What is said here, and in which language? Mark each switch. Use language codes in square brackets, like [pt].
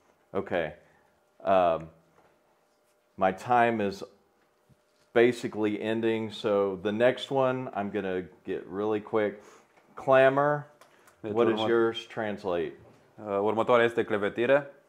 [en] Okay. My time is basically ending, so the next one I'm going to get really quick. Clamor. Deci, what does yours translate? [ro] Următoarea este clevetire.